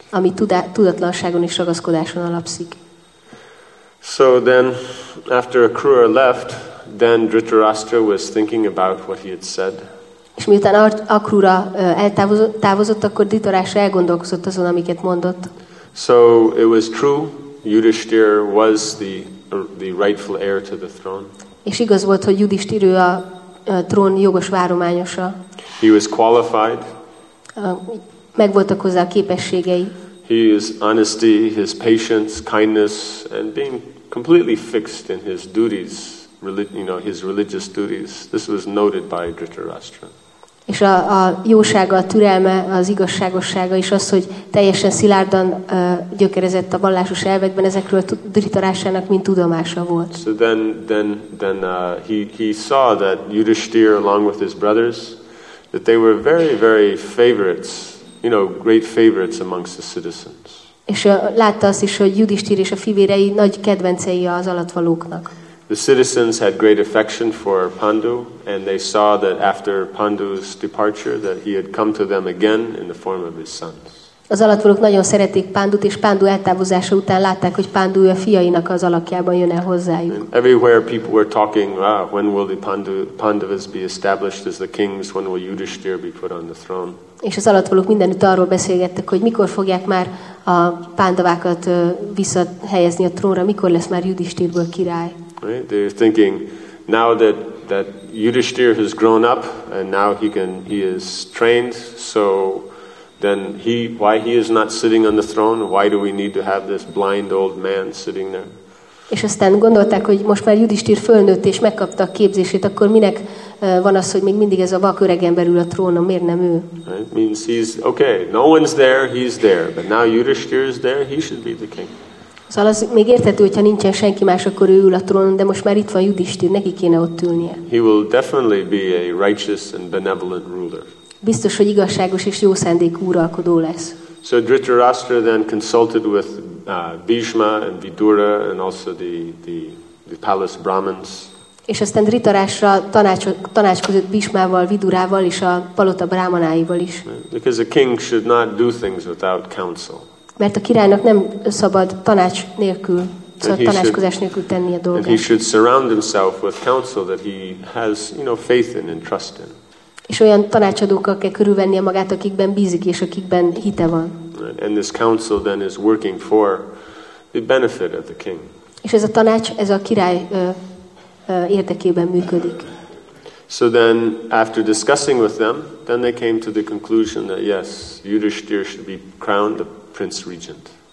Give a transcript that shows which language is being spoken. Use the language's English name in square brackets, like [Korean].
[Hungarian] Ami tudatlanságon és ragaszkodáson alapszik. [English] So then, after Akrura left, then Dhritarashtra was thinking about what he had said. [Hungarian] És miután Akrura eltávozott, akkor Dhritarashtra elgondolkozott azon, amiket mondott. [English] So it was true, Yudhishthira was the rightful heir to the throne. [Hungarian] És igaz volt, hogy Yudhishthira a trón jogos várományosa. [English] He was qualified. [Hungarian] Megvoltak hozzá a képességei. [English] His honesty, his patience, kindness, and being completely fixed in his duties, his religious duties. This was noted by Dhritarashtra. [Hungarian] És a jósága, a türelme, az igazságossága is az, hogy teljesen szilárdan gyökerezett a vallásos elvekben, ezekről Dhritarashtrának mind tudomása volt. [English] So then he saw that Yudhishthira along with his brothers, that they were very, very favorites, you know, great favorites amongst the citizens. [Hungarian] És látta azt is, hogy Yudhishthira és a fivérei nagy kedvencei az alattvalóknak. [English] The citizens had great affection for Pandu, and they saw that after Pandu's departure, that he had come to them again in the form of his sons. [Hungarian] Az alattvalók nagyon szeretik Pandut, és Pandu eltávozása után látták, hogy Pandu a fiainak az alakjában jön el hozzájuk. [English] And everywhere people were talking, when will the Pandavas be established as the kings? When will Yudhishthira be put on the throne? [Hungarian] És az alattvalók mindenütt arról beszélgettek, hogy mikor fogják már a pándavákat visszahelyezni a trónra, mikor lesz már Yudhisthirből király. [English] Right? They're thinking now that Yudhisthira has grown up and now he is trained, so then why he is not sitting on the throne? Why do we need to have this blind old man sitting there? [Hungarian] És aztán gondolták, hogy most már Yudhisthir fölnőtt és megkapta a képzését, akkor minek van az, hogy még mindig ez a vak öreg ember ül a trónon, miért nem ő? [English] It means he's okay, no one's there, he's there. But now Yudhisthir is there, he should be the king. [Hungarian] Szóval az még érthető, hogyha nincsen senki más, akkor ő ül a trónon, de most már itt van Yudhisthir, neki kéne ott ülnie. [English] He will definitely be a righteous and benevolent ruler. [Hungarian] Biztos, hogy igazságos és jó szándékú uralkodó lesz. [English] So Dhritarashtra then consulted with Bhishma and Vidura and also the palace Brahmins. [Hungarian] És aztán Dhritarashtra tanácskozott Bhishmával, Vidurával és a palota brahmanáival is. [English] Because a king should not do things without counsel. [Hungarian] Mert a királynak nem szabad tanács nélkül, szóval tanácskozás nélkül tenni a dolgát. [English] And he should surround himself with counsel that he has, you know, faith in and trust in. [Hungarian] És olyan tanácsadókkal kell körülvennie magát, akikben bízik és akikben hite van. [English] And this council then is working for the benefit of the king. [Hungarian] És ez a tanács, ez a király érdekében működik. [English] So then, after discussing with them, then they came to the conclusion that yes, Yudhisthira should be crowned the prince regent.